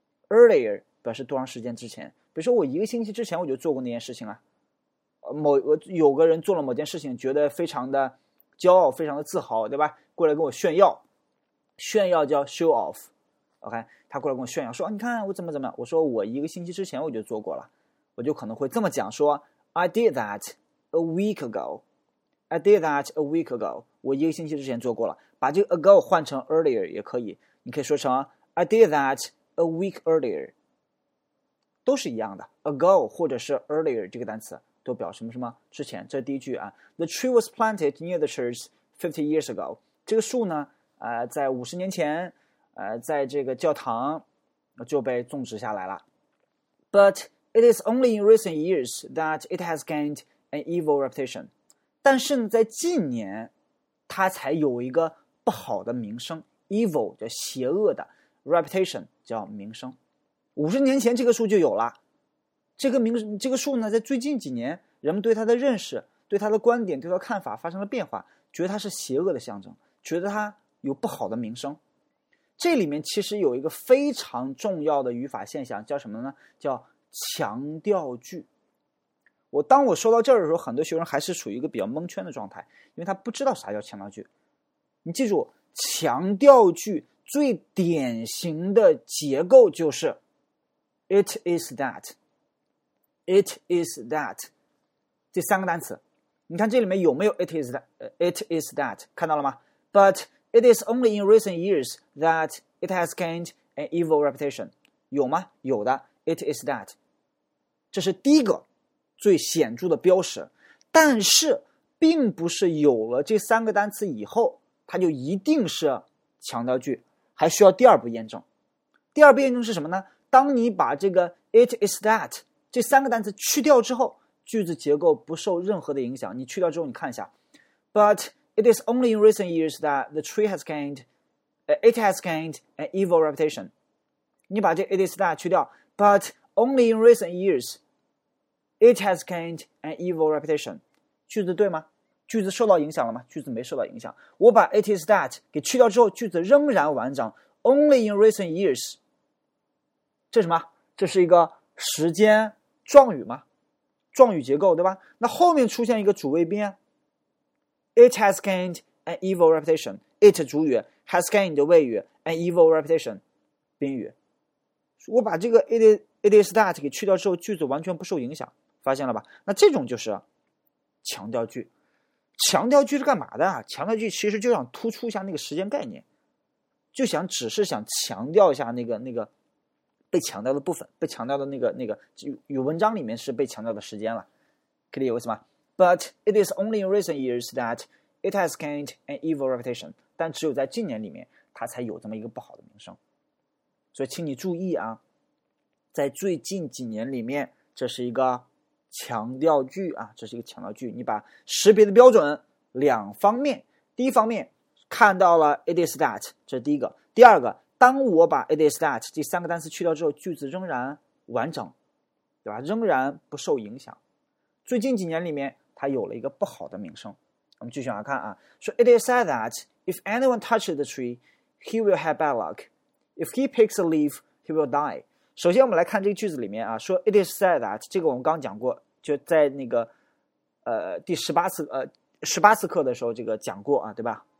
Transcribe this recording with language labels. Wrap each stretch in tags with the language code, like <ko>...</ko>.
<zh>earlier 表示多长时间之前。比如说我一个星期之前我就做过那件事情了。有个人做了某件事情，觉得非常的骄傲，非常的自豪，对吧？过来跟我炫耀，炫耀叫 show off。OK， 他过来跟我炫耀说：“你看我怎么怎么样。” 我说：“我一个星期之前我就做过了。” 我就可能会这么讲说 I did that a week ago.</zh> <en>I did that a week ago.</en> <zh>我一个星期之前做过了。把这个 ago 换成 earlier 也可以。你可以说成 I did that a week earlier. 都是一样的。 ago 或者是 earlier 这个单词都表示什么什么之前。这第一句啊。</zh> <en>The tree was planted near the church 50 years ago.</en> <zh>这个树呢在五十年前在这个教堂就被种植下来了。</zh> <en>But,It is only in recent years that it has gained an evil reputation.</en> <zh>但是呢在近年它才有一个不好的名声。 Evil 叫邪恶的 ,reputation 叫名声。五十年前这个树就有了。这个树呢在最近几年人们对它的认识对它的观点对它的看法发生了变化，觉得它是邪恶的象征，觉得它有不好的名声。这里面其实有一个非常重要的语法现象叫什么呢？叫强调句。当我说到这儿的时候，很多学生还是处于一个比较蒙圈的状态，因为他不知道啥叫强调句。你记住，强调句最典型的结构就是 it is that， it is that， 这三个单词。你看这里面有没有 it is that？</zh> <en>it is that，看到了吗？But it is only in recent years that it has gained an evil reputation。</en> <zh>有吗？有的 ，it is that。这是第一个最显著的标识，但是并不是有了这三个单词以后它就一定是强调句，还需要第二步验证。第二步验证是什么呢？当你把这个 it is that 这三个单词去掉之后，句子结构不受任何的影响。你去掉之后你看一下 but it is only in recent years that the tree has gained it has gained an evil reputation，你把这 it is that 去掉 butOnly in recent years, it has gained an evil reputation. 句子对吗？句子受到影响了吗？句子没受到影响。我把 it is that 给去掉之后，句子仍然完整。</zh> <en>Only in recent years，这什么？</en> <zh>这是一个时间状语吗？状语结构对吧？那后面出现一个主谓宾 ， it has gained an evil reputation。 it 主语 has gained 谓语 an evil reputation， 宾语。我把这个 it is that 给去掉之后，句子完全不受影响，发现了吧？那这种就是强调句。强调句是干嘛的啊？强调句其实就想突出一下那个时间概念，就想只是想强调一下那个被强调的部分，被强调的那个有文章里面是被强调的时间了，可以理解为什么 ？ But it is only in recent years that it has gained an evil reputation。但只有在近年里面，它才有这么一个不好的名声。所以，请你注意啊，在最近几年里面，这是一个强调句啊，这是一个强调句。你把识别的标准两方面，第一方面看到了 it is that， 这是第一个。第二个，当我把 it is that 这三个单词去掉之后，句子仍然完整，对吧？仍然不受影响。最近几年里面，它有了一个不好的名声。</zh> <en>我们继续往下看啊，说 it is said that if anyone touches the tree, he will have bad luck. If he picks a leaf, he will die.</en> <zh>首先我们来看这个句子里面啊，说 it is said that， 这个我们刚讲过，就在那个第十八次课的时候这个讲过啊，对吧？</zh>